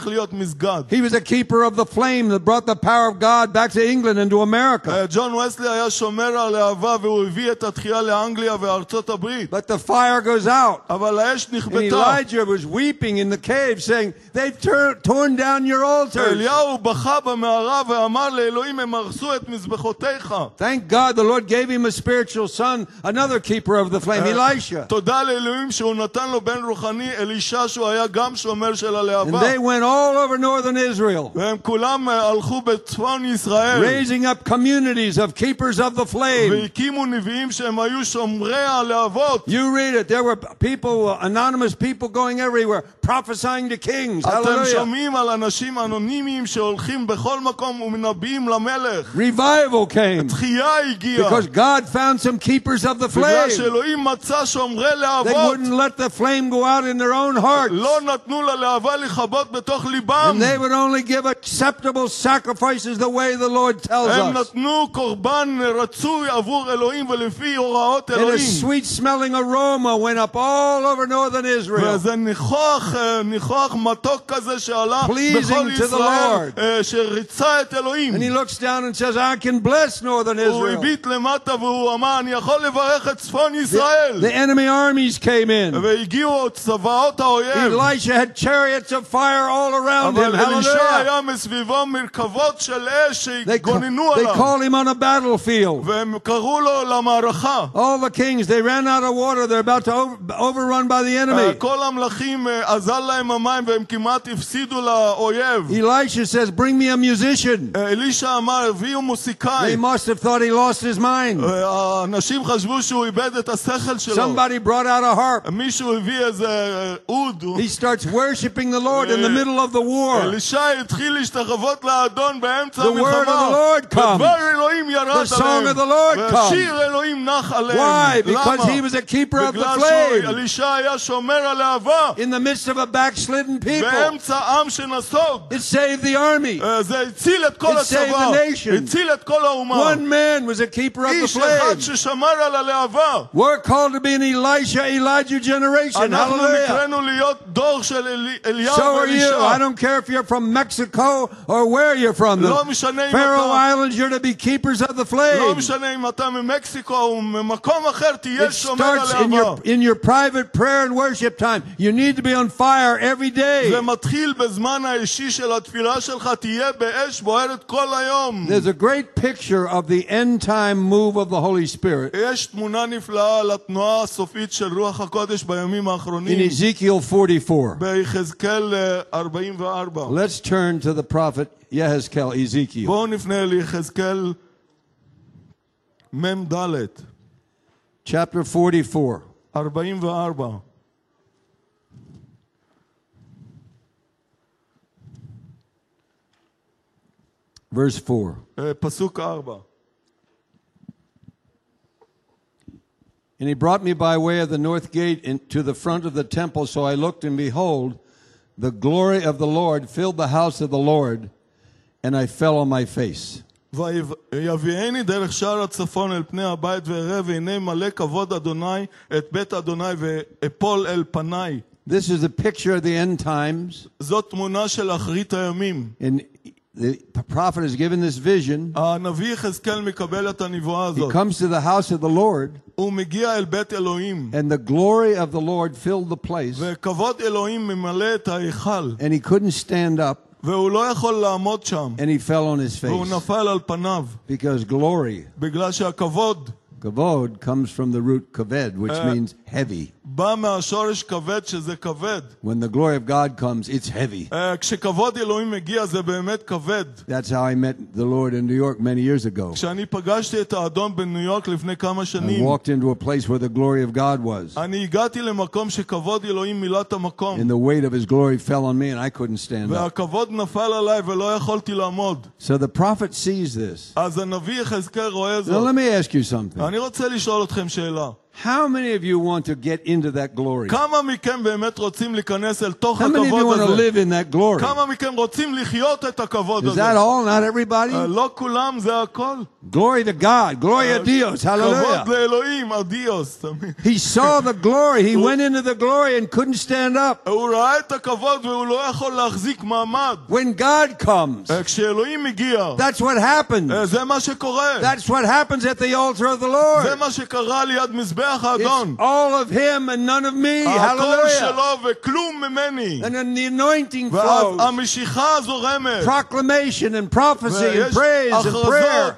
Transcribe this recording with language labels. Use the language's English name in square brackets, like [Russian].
[English] He was a keeper of the flame that brought the power of God back to England and to America. [Hebrew] John Wesley היה שומר על אהבה והוא הביא את התחייה לאנגליה וארצות הברית. [English] But the fire goes out. [Hebrew] אבל האש נכבטה. [English] And Elijah was weeping in the cave saying, they've torn down your altars. [Hebrew] אליהו בכה במערה ואמר לאלוהים, הם הרסו את מזבחותיך. [English] Thank God the Lord gave him a spiritual son, another keeper of the flame. him Elisha. [Hebrew] תודה לאלוהים שהוא נתן לו בן רוחני אלישה שהוא היה גם שומר של הלהבה. [English] And they went all over northern Israel. [Hebrew] והם כולם הלכו בצפון ישראל. [English] Raising up communities of keepers of the flame. [Hebrew] והקימו נביאים שהם היו שומרי הלהבות. [English] You read it. There were people, anonymous people going everywhere, prophesying to kings. [Hebrew] אתם שומעים על אנשים אנונימיים שהולכים בכל מקום ומנביאים למלך. [English] Revival came. [Hebrew] התחייה הגיעה. [English] Because God found some keepers of the flame. [Hebrew] בגלל שאלוהים מצא שומרי להבות. [English] They wouldn't let the flame go out in their own hearts. [Hebrew] לא נתנו ללהבה לחבות בתוך ליבם. [English] And they would only give acceptable sacrifices the way the Lord tells [Hebrew] הם נתנו קורבן רצוי עבור אלוהים ולפי הוראות אלוהים. [English] And a sweet smelling aroma went up all over northern Israel. [Hebrew] וזה ניחוח מתוק כזה שעלה בכל ישראל. שריצה את אלוהים. [English] And he looks down and says, I can bless northern Israel. [Hebrew] הוא הביט למטה והוא אמר, אני יכול לברך את צפון ישראל. [English] The enemy armies came in. [Hebrew] והגיעו צבאות האויב. [English] Elisha had chariots of fire all around him. [Hebrew] אבל אלישע היה מסביבו מרכבות של אש שגוננו עליו. [English] They called him on a battlefield. [Hebrew] והם קראו לו למערכה. [English] All the kings, they ran out of water. They're about to overrun by the enemy. [Hebrew] כל המלכים עזל להם המים והם כמעט הפסידו לאויב. [English] Elisha says, bring me a musician. [Hebrew] אלישע אמר, הביאו מוסיקאי. [English] They must have thought he lost his mind. [Hebrew] אנשים חשבו שהוא איבד את השכל שלו. [English] Somebody brought out a harp. [Hebrew] מישהו הביא איזה עוד. [English] He starts worshiping the Lord in the middle of the war. [Hebrew] אלישע התחיל להשתחוות לאדון באמצע המלחמה. [English] The word of the Lord come. [Hebrew] דבר אלוהים ירד עליהם. [English] The song of the Lord come. [Hebrew] ושיר אלוהים נח עליהם. [English] Why? Because he was a keeper of the flame. [Hebrew] בגלל שאלישע היה שומר על להבה. [English] In the midst of a backslidden people. [Hebrew] באמצע עם שנסוג. [English] It saved the army. [Hebrew] זה הציל את כל הצבא. [English] It saved the nation. [Hebrew] הציל את כל האומה. [English] One man was a keeper of the flame. [Hebrew] איש אחד ששמר על הלהבה. [English] We're called to be an Elisha, Elijah generation. [Hebrew] אנחנו נקראנו להיות דור של אליהו ואלישע. [English] So are you. I don't care if you're from Mexico or where you're from. [Hebrew] לא משנה אם אתה. [English] Faroe Islands, you're to be keepers of the flame. [Hebrew] לא משנה אם אתה ממקסיקו או ממקום אחר, תהיה שומר על הלהבה. [English] It starts in your private prayer and worship time. You need to be on fire every day. [Hebrew] זה מתחיל בזמן האישי של התפילה שלך, תהיה באש בוערת כל היום. [English] There's a great picture of the end time move of the Holy Spirit. [Hebrew] יש תמונה נפלאה על התנועה הסופית של רוח הקודש בימים האחרונים. [English] In Ezekiel 44. [Hebrew] ביחזקאל 44. [English] Let's turn to the prophet Yehezkel, Ezekiel. [Hebrew] בואו נפנה ליחזקאל מם דלת. [English] Chapter 44. [Hebrew] 44. [English] Verse 4. [Hebrew] פסוק 4. [English] And he brought me by way of the north gate into the front of the temple, so I looked, and behold, the glory of the Lord filled the house of the Lord, and I fell on my face. [Hebrew] ויביאני דרך שער הצפון אל פני הבית, ואראה, והנה מלא כבוד אדוני את בית אדוני, ואפול אל פני. [English] This is a picture of the end times. [Hebrew] זאת תמונה של אחרית הימים. [English] The prophet is given this vision. [Hebrew] הנביא יחזקאל מקבל את הנבואה הזאת. [English] He comes to the house of the Lord. [Hebrew] הוא מגיע אל בית אלוהים. [English] And the glory of the Lord filled the place. [Hebrew] וכבוד אלוהים ממלא את ההיכל. [English] And he couldn't stand up. [Hebrew] והוא לא יכול לעמוד שם. [English] And he fell on his face. [Hebrew] והוא נפל על פניו. [English] Because glory. [Hebrew] בגלל שהכבוד. [English] Kavod comes from the root kaved, which means heavy. [Hebrew] בא מהשורש כבד, שזה כבד. [English] When the glory of God comes, it's heavy. [Hebrew] כשכבוד אלוהים מגיע, זה באמת כבד. [English] That's how I met the Lord in New York many years ago. [Hebrew] כשאני פגשתי את האדון בניו יורק לפני כמה שנים. [English] I walked into a place where the glory of God was. [Hebrew] אני הגעתי למקום שכבוד אלוהים מילא את המקום. [English] And the weight of his glory fell on me and I couldn't stand up. [Hebrew] והכבוד נפל עליי ולא יכולתי לעמוד. [English] So the prophet sees this. [Hebrew] אז הנביא יחזקאל רואה זאת. [English] Now let me ask you something. [Hebrew] אני רוצה לשאול אתכם שאלה. [English] How many of you want to get into that glory? [Hebrew] כמה מכם באמת רוצים להיכנס אל תוך הכבוד הזה? [English] How many of you want to live in that glory? [Hebrew] כמה מכם רוצים לחיות את הכבוד הזה? [English] Is that all? Not everybody? [Hebrew] לא כולם, זה הכל. [English] Glory to God. Glory to Dios. Hallelujah. [Hebrew] כבוד לאלוהים, אדיוס. [English] He saw the glory. He went into the glory and couldn't stand up. [Hebrew] הוא ראה את הכבוד והוא לא יכול להחזיק מעמד. [English] When God comes. [Hebrew] כשאלוהים מגיע. [English] That's what happens. [Hebrew] זה מה שקורה. [English] That's what happens at the altar of the Lord. [Hebrew] זה מה שקרה ליד מזבח. It's [English] all of him and none of me. Hallelujah. And then the anointing flows. Proclamation and prophecy and praise and prayer.